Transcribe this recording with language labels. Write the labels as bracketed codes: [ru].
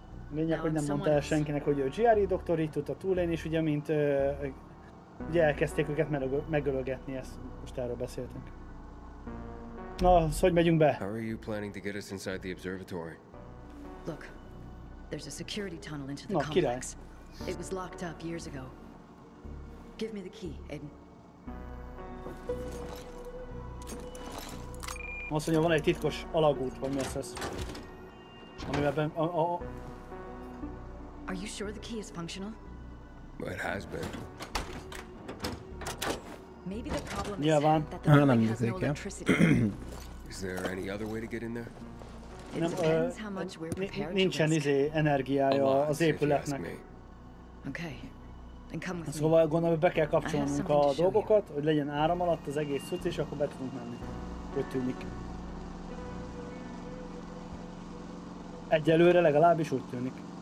[hu] Mindjárt, hogy nem mondta el senkinek, hogy ő GRE doktor, így tudta túlélni, és ugye mint ugye elkezdték őket megölögetni, ezt most erről beszéltünk. Na, szóval hogy megyünk be? [en] How are you planning to get us inside the observatory? Look, there's a security tunnel into the complex. It was locked up years ago. Give me the key, Aiden. [hu] Azt mondja, van egy titkos alagút, vagy mi az ez? Amiben [en] Are you sure the key is functional? It has been. Maybe the problem is that the building has no electricity. Is there any other way to get in there? It depends how much we're prepared to risk. [hu] Nincsen izé energiája az épületnek. [en] Okay. And come with me. [hu] Szóval gondolom, hogy be kell kapcsolnunk a dolgokat, hogy legyen áram alatt az egész cucc, és akkor be tudunk menni. Hogy tűnik. Egyelőre legalábbis úgy tűnik.